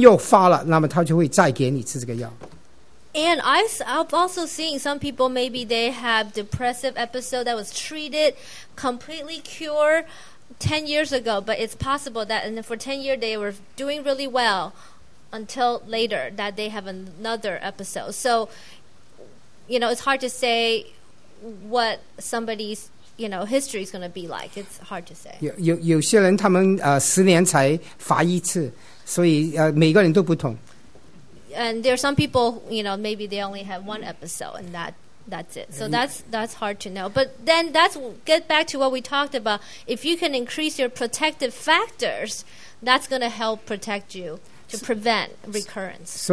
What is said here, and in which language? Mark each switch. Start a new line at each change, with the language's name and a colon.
Chinese: 他刚刚讲就是他的病人大部分都是完全好的，另外他也强调是他看的病人是比较轻微的病人，所以另外他就说通常吃这个药，他会给你通常是9个月到1年，如果你通常那个人就不用再吃这个药，但是如果你这个病又发了，那么他就会再给你吃这个药。
English: And I've also seen some people, maybe they have depressive episode that was treated, completely cured 10 years ago, but it's possible that and for 10 years they were doing really well until later that they have another episode. So, you know, it's hard to say what somebody's, you know, history is going to be like. It's hard to say.
Chinese: 有些人他们10年才发一次，所以每个人都不同。
English: And there are some people, you know, maybe they only have one episode and that's it. So that's hard to know. But then that's get back to what we talked about. If you can increase your protective factors, that's going to help protect you to prevent recurrence.